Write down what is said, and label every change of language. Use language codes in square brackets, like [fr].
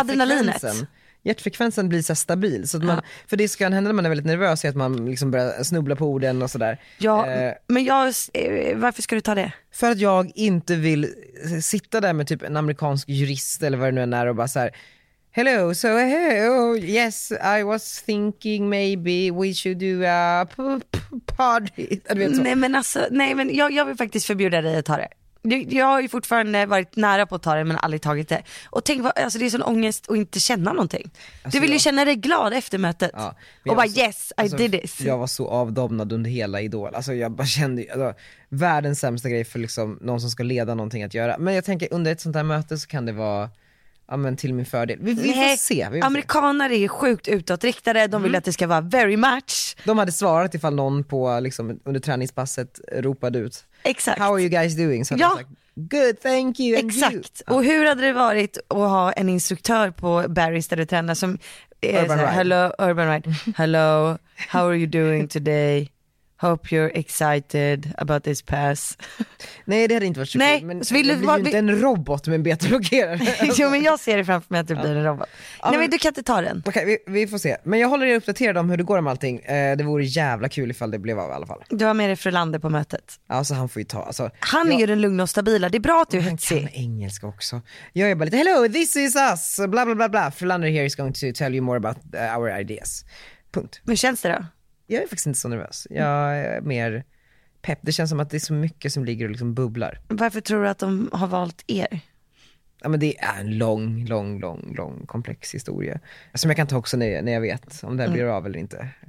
[sv] adrenalinet. Hjärtfrekvensen blir så stabil. Så att man, för det ska hända när man är väldigt nervös, att man liksom börjar snubbla på orden och sådär. Ja, men jag, varför ska du ta det? För att jag inte vill sitta där med typ en amerikansk jurist eller vad det nu än är och bara så här. [en] Hello, so hello, yes, I was thinking maybe we should do a party. [sv] Nej, men alltså, nej, men jag vill faktiskt förbjuda dig att ta det. Jag har ju fortfarande varit nära på att ta det, men aldrig tagit det. Och tänk, alltså, det är sån ångest att inte känna någonting. Alltså, du vill ju känna dig glad efter mötet. Ja, och bara, så, [en] yes, I [sv] alltså, [en] did this. [sv] Jag var så avdomnad under hela Idol. Alltså, jag bara kände, alltså, världens sämsta grej för liksom, någon som ska leda någonting att göra. Men jag tänker, under ett sånt här möte så kan det vara, ja, men till min fördel. Vi får se. Amerikaner är sjukt utåtriktade. De vill att det ska vara [en] very much. [sv] De hade svarat ifall någon på, liksom, under träningspasset ropade ut. Exakt. [en] How are you guys doing? Så good, thank you. [sv] Exakt. [en] And you. [sv] Och hur hade det varit att ha en instruktör på Barry's där du tränar som är Urban så här, [en] hello, Urban Ride. Hello, how are you doing today? Hope you're excited about this pass. [sv] Nej, det hade inte varit så nej, kul. Men så vill du vara inte en robot med en beta-blockerare. Jo, men jag ser det framför mig att du blir en robot. Ja, nej, men du kan inte ta den. Okej, okay, vi får se. Men jag håller er uppdaterad om hur det går med allting. Det vore jävla kul ifall det blev av i alla fall. Du har med dig Frölander på mötet. Alltså, han får ju ta. Alltså, han är ju den lugna och stabila. Det är bra att du är hetsig. Han kan engelska också. Jag är bara lite, [en] hello, this is us. [sv] Bla, bla, bla, bla. [en] Frölander here is going to tell you more about our ideas. [sv] Punkt. Hur känns det då? Jag är faktiskt inte så nervös. Jag är mer pepp. Det känns som att det är så mycket som ligger och liksom bubblar. Varför tror du att de har valt er? Ja, men det är en lång, komplex historia. Som jag kan ta också när jag vet om det här blir av eller inte.